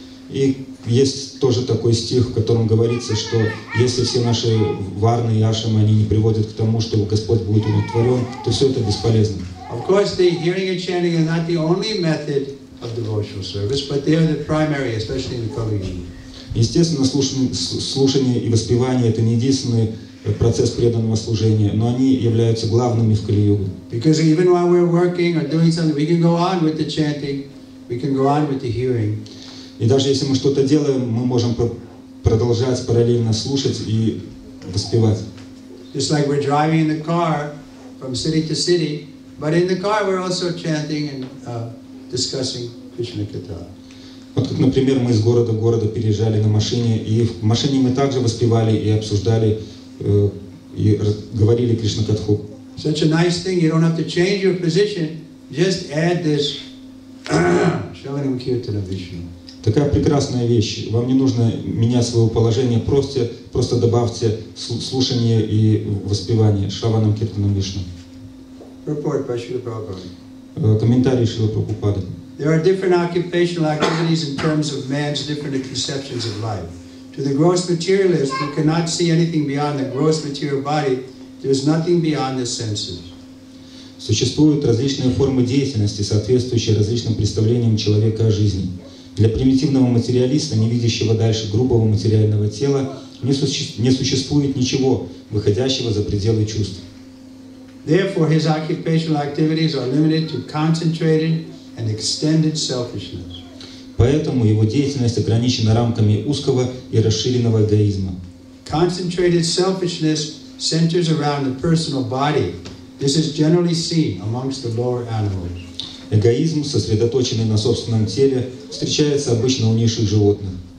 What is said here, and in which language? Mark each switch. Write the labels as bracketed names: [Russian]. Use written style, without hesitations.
[Russian] И есть тоже такой стих, в котором говорится, что если все наши варны и ашамы, они не приводят к тому, что Господь будет удовлетворен, то все это бесполезно. [English] Of course, the hearing and chanting are not the only method of devotional service, but they are the primary, especially in the Kali Yuga. [Russian] Естественно, слушание и воспевание — это не единственный процесс преданного служения, но они являются главными в Кали-Югу. [English] Because even while we're working or doing something, we can go on with the chanting, We can go on with the hearing. [Russian] И даже если мы что-то делаем, мы можем продолжать параллельно слушать и воспевать. [English] Just like we're driving in the car from city to city, but in the car we're also chanting and discussing Krishna Katha. [Russian] Вот как, например, мы из города в город переезжали на машине, и в машине мы также воспевали и обсуждали, и говорили Кришна Катху. [English] Such a nice thing, you don't have to change your position, just add this [Sanskrit] Шраванам Киртана Вишну. [Russian] Такая прекрасная вещь. Вам не нужно менять своего положения, просто добавьте слушание и воспевание [Sanskrit] Шраванам Киртанам Вишну. [English] Report by Шрила Прабхупады. [Russian] Комментарий Шрила Прабхупады. [English] There are different occupational activities in terms of man's different conceptions of life. To the gross materialist who cannot see anything beyond the gross material body, there is nothing beyond the senses. [Russian] Существуют различные формы деятельности, соответствующие различным представлениям человека о жизни. Для примитивного материалиста, не видящего дальше грубого материального тела, не существует ничего, выходящего за пределы чувств. [English] Therefore, his occupational activities are limited to concentrated and extended selfishness. [Russian] Поэтому его деятельность ограничена рамками узкого и расширенного эгоизма. [English] Concentrated selfishness centers around the personal body. This is generally seen amongst the lower animals. [Russian] Эгоизм, сосредоточенный на собственном теле, встречается обычно у низших животных.